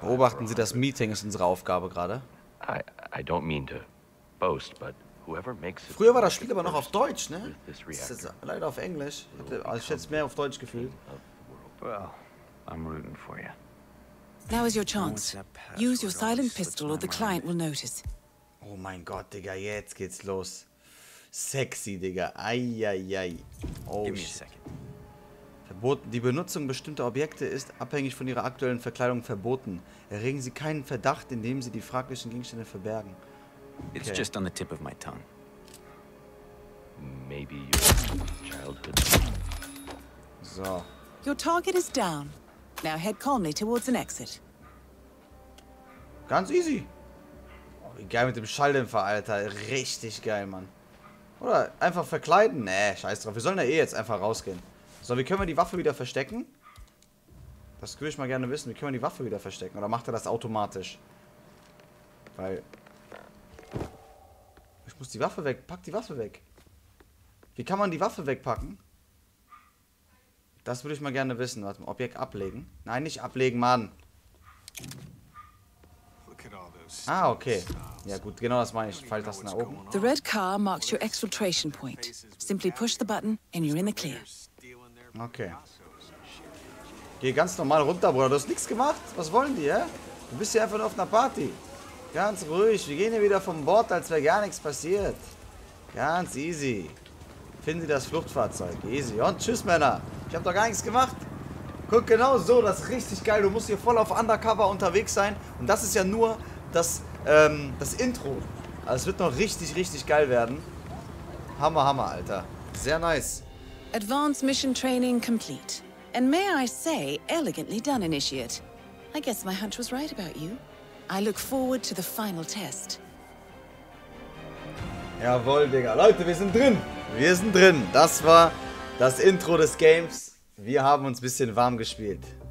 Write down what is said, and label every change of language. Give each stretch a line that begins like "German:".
German: Beobachten Sie das Meeting. Ist unsere Aufgabe gerade.
English: I don't mean to boast, but whoever makes it.
German: Früher war das Spiel aber noch auf Deutsch, ne? Das ist leider auf Englisch. Ich hätte es mehr auf Deutsch gefühlt.
English: Well, I'm rooting for you. Now is your chance. Use your silent pistol or the client will notice.
German: Oh mein Gott, Digga, jetzt geht's los. Sexy, Digga. Eieiei. Oh,
English: give me a second.
German: Verboten. Die Benutzung bestimmter Objekte ist abhängig von ihrer aktuellen Verkleidung verboten. Erregen Sie keinen Verdacht, indem Sie die fraglichen Gegenstände verbergen. Okay.
English: It's just on the tip of my tongue. Maybe your childhood.
German: So.
English: Your target is down. Now head calmly towards an exit.
German: Ganz easy. Oh, wie geil mit dem Schalldämpfer, Alter. Richtig geil, Mann. Oder einfach verkleiden. Nee, scheiß drauf. Wir sollen ja eh jetzt einfach rausgehen. So, wie können wir die Waffe wieder verstecken? Das würde ich mal gerne wissen. Wie können wir die Waffe wieder verstecken? Oder macht er das automatisch? Weil... ich muss die Waffe weg. Pack die Waffe weg. Wie kann man die Waffe wegpacken? Das würde ich mal gerne wissen. Warte mal, Objekt ablegen? Nein, nicht ablegen, Mann. Ah, okay. Ja gut, genau das meine ich. Fällt das nach oben?
English: The red car marks your exfiltration point. Simply push the button and you're in the clear.
German: Okay. Geh ganz normal runter, Bruder. Du hast nichts gemacht. Was wollen die, hä? Du bist hier einfach nur auf einer Party. Ganz ruhig. Wir gehen hier wieder vom Bord, als wäre gar nichts passiert. Ganz easy. Finden Sie das Fluchtfahrzeug. Easy. Und tschüss, Männer. Ich habe doch gar nichts gemacht. Guck, genau so. Das ist richtig geil. Du musst hier voll auf Undercover unterwegs sein. Und das ist ja nur das, das Intro. Also es wird noch richtig, richtig geil werden. Hammer, Hammer, Alter. Sehr nice.
English: Advanced mission training complete. And may I say, elegantly done, initiate. I guess my hunch was right about you. I look forward to the final test.
German: Jawohl, Digga. Leute, wir sind drin. Wir sind drin. Das war das Intro des Games. Wir haben uns ein bisschen warm gespielt.